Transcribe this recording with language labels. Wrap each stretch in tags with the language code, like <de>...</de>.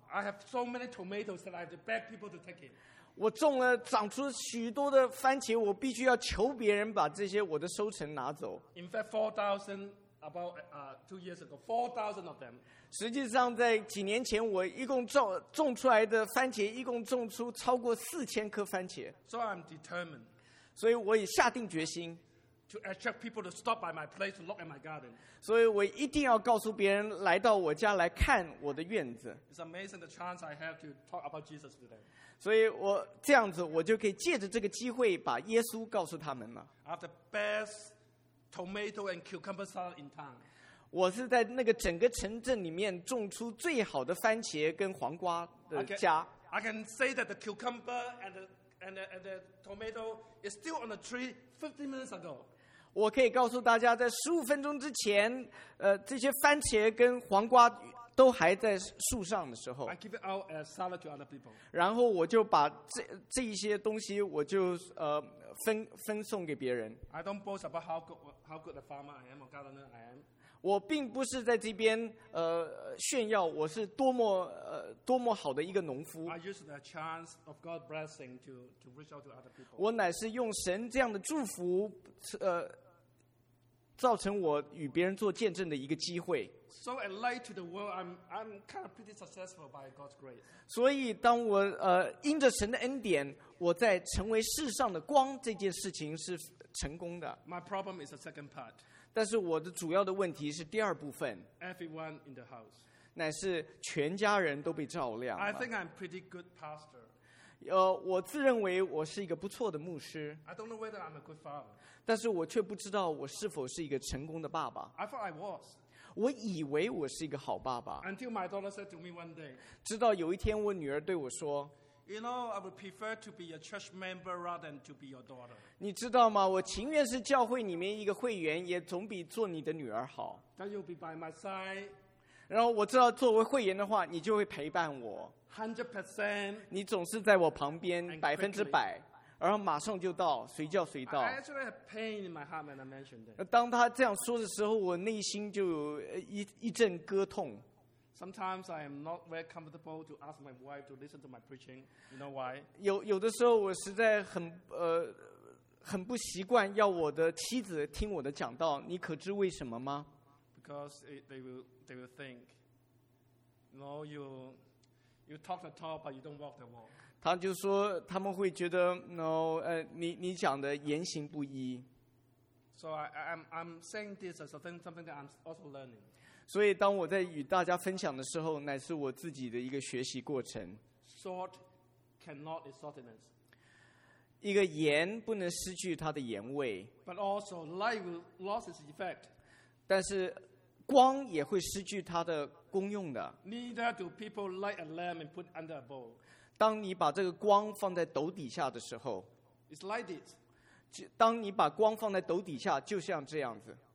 <en>I have so many tomatoes that I have to beg people to take it.</en> <zh>我种了长出许多的番茄，我必须要求别人把这些我的收成拿走。</zh> <en>In fact, 4,000 about 2 years ago, 4,000 of them.</en> <zh>实际上在几年前我一共 种出来的番茄一共种出超过4000颗番茄。</zh> <en>So I'm determined.</en> <zh>所以我也下定决心</zh> <en>to attract people to stop by my place to look at my garden.</en> <zh>所以我一定要告诉别人来到我家来看我的院子。</zh> <en>It's amazing the chance I have to talk about Jesus today.</en> <zh>所以我这样子我就可以借着这个机会把耶稣告诉他们了。</zh> <en>I have the best tomato and cucumber salad in town.</en> <zh>我是在那个整个城镇里面种出最好的番茄跟黄瓜的家。</zh> <en>I can say that the cucumber and the tomato is still on the tree 15 minutes ago.</en> <zh>我可以告诉大家在15分钟之前这些番茄跟黄瓜都还在树上的时候。</zh> <en>I give it out as salad to other people.</en> <zh>然后我就把这一些东西我就分送给别人。</zh> <en>I don't boast about how good a farmer I am or gardener I am.</en> <zh>我并不是在这边炫耀我是多么好的一个农夫。</zh> <en>I use the chance of God's blessing to reach out to other people.</en> <zh>我乃是用神这样的祝福造成我与别人做见证的一个机会。</zh> <en>So I lie to the world, I'm kind of pretty successful by God's grace.</en> <zh>所以当我因着神的恩典，我在成为世上的光这件事情是成功的。</zh> <en>My problem is the second part.</en> <zh>但是我的主要的问题是第二部分。</zh> <en>Everyone in the house.</en> <zh>乃是全家人都被照亮了。</zh> <en>I think I'm pretty good pastor.</en> <zh>我自认为我是一个不错的牧师。</zh> <en>I don't know whether I'm a good father.</en> <zh>但是我却不知道我是否是一个成功的爸爸。</zh> <en>I thought I was.</en> <zh>我以为我是一个好爸爸。</zh> <en>Until my daughter said to me one day.</en> <zh>直到有一天我女儿对我说。</zh> <en>You know, I would prefer to be a church member rather than to be your daughter.</en> <zh>你知道吗？我情愿是教会里面一个会员，也总比做你的女儿好。</zh> <en>Then you'll be by my side.</en> <zh>然后我知道作为会员的话你就会陪伴我。</zh> <en>100%.</en> <zh>你总是在我旁边百分之百。然后马上就到，随叫随到。</zh> <en>I actually have pain in my heart when I mentioned it.</en> <zh>当他这样说的时候，我内心就有一阵割痛。</zh> <en>Sometimes I am not very comfortable to ask my wife to listen to my preaching. You know why?</en> <zh>有的时候我实在很不习惯要我的妻子听我的讲道，你可知为什么吗？</zh> <en>Because they will think, no, you talk the talk, but you don't walk the walk.</en> <zh>他就说他们会觉得 no, 你讲的言行不一。</zh> <en>So I'm saying this as something that I'm also learning.</en> <zh>所以当我在与大家分享的时候，乃是我自己的一个学习过程。</zh> <en>Salt cannot lose saltiness.</en> <zh>一个盐不能失去它的盐味。</zh> <en>But also light will lose its effect.</en> <zh>但是光也会失去它的功用的。</zh> <en>Neither do people light a lamp and put under a bowl.</en> <zh>当你把这个光放在斗底下的时候 It's like this. 当你把光放在斗底下就像这样子</zh>